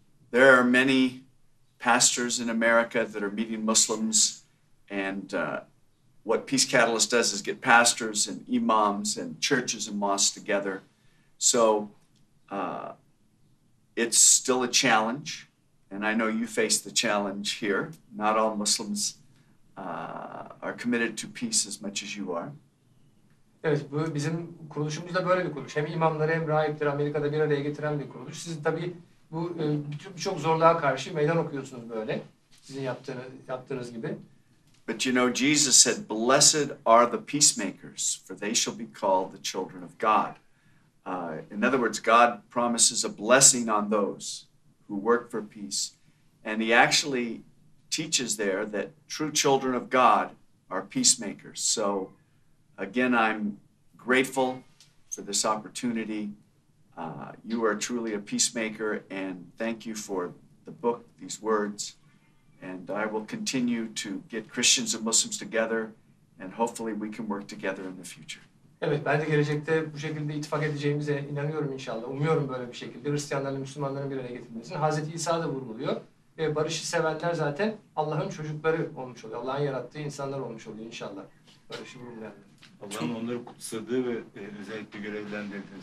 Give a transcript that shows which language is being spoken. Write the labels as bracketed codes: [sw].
[en] There are many pastors in America that are meeting Muslims, and what Peace Catalyst does is get pastors and imams and churches and mosques together. So it's still a challenge, and I know you face the challenge here. Not all Muslims are committed to peace as much as you are. [tr] Evet, bu bizim kuruluşumuzda böyle bir kuruluş. Hem imamları hem rahipleri Amerika'da bir araya getiren bir kuruluş. Siz tabii bu birçok zorluğa karşı meydan okuyorsunuz böyle. Sizin yaptığınız gibi. [en] But you know, Jesus said, "Blessed are the peacemakers, for they shall be called the children of God." In other words, God promises a blessing on those who work for peace. And he actually teaches there that true children of God are peacemakers. So again, I'm grateful for this opportunity. You are truly a peacemaker, and thank you for the book, these words. And I will continue to get Christians and Muslims together, and hopefully we can work together in the future. [tr] Evet, ben de gelecekte bu şekilde ittifak edeceğimize inanıyorum inşallah. Umuyorum böyle bir şekilde Hristiyanların, Müslümanların bir araya getirmesini. Hazreti İsa da vurguluyor. Ve barışı sevenler zaten Allah'ın çocukları olmuş oluyor. Allah'ın yarattığı insanlar olmuş oluyor inşallah. Barışı vurgulayan. Allah'ın onları kutsadığı ve özellikle görevlendirdiğini